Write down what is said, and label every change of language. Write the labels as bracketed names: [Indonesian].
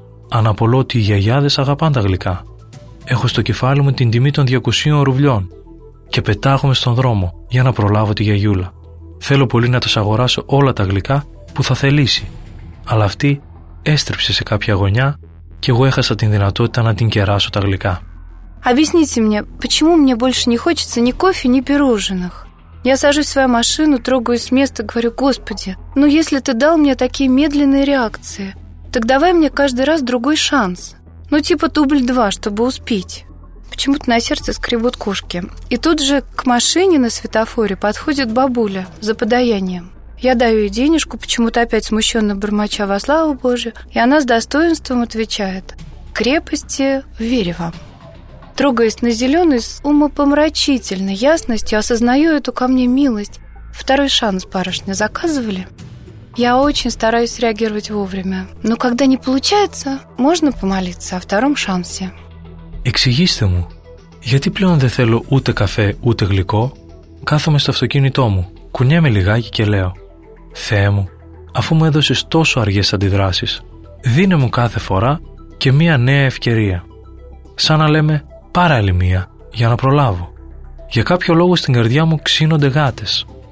[Greek] Αναπολώ ότι οι γιαγιάδες αγαπάνε τα γλυκά. Έχω στο κεφάλι μου την τιμή των 200 ρουβλιών και πετάγομαι στον δρόμο για να προλάβω τη γιαγιούλα. Θέλω πολύ να τους αγοράσω όλα τα γλυκά που θα θελήσει. Αλλά αυτή έστριψε σε κάποια γωνιά και εγώ έχασα την δυνατότητα να την κεράσω τα γλυκά. [Russian] Объясните мне, почему мне больше не хочется ни кофе, ни пирожных? Я сажусь в свою машину, трогаюсь с места, говорю, Господи, ну если ты дал мне такие медленные реакции, так давай мне каждый раз другой шанс. Ну типа дубль два, чтобы успеть. Почему-то на сердце скребут кошки. И тут же к машине на светофоре подходит бабуля за подаянием. Я даю ей денежку, почему-то опять смущенно бормоча во славу Божию, и она с достоинством отвечает, крепости в вере вам. Трогаясь на зеленый, с умопомрачительной ясностью осознаю эту ко мне милость. Второй шанс, барышня, заказывали? Я очень стараюсь реагировать вовремя. Но когда не получается, можно помолиться о втором шансе. [Greek] Εξηγήστε μου, γιατί πλέον δεν θέλω ούτε καφέ ούτε γλυκό. Κάθομαι στο αυτοκίνητό μου, κουνιέμαι λιγάκι και λέω: Θεέ μου, αφού μου έδωσες τόσο αργές αντιδράσεις, δίνε μου κάθε φορά και μία νέα ευκαιρία. Σαν να λέμε, πάρε άλλη μία, για να προλάβω. Για κάποιο λόγο στην καρδιά μου ξύνονται γάτες.